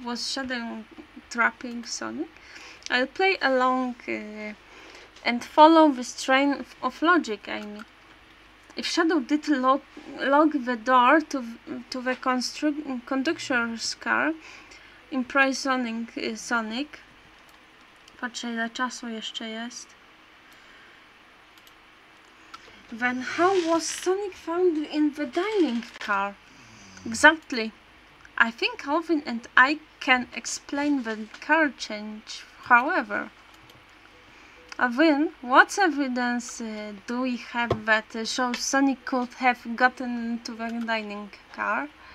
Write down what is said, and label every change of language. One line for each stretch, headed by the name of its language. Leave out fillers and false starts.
English: Was Shadow trapping Sonic? I'll play along and follow this train of logic, Amy. If Shadow did lock the door to the conductor's car, imprisoning Sonic.
Polish: Patrzę, ile czasu jeszcze jest.
English: Then how was Sonic found in the dining car? Exactly. I think Alvin and I can explain the car change, however. Alvin, what evidence do we have that shows Sonic could have gotten into the dining car?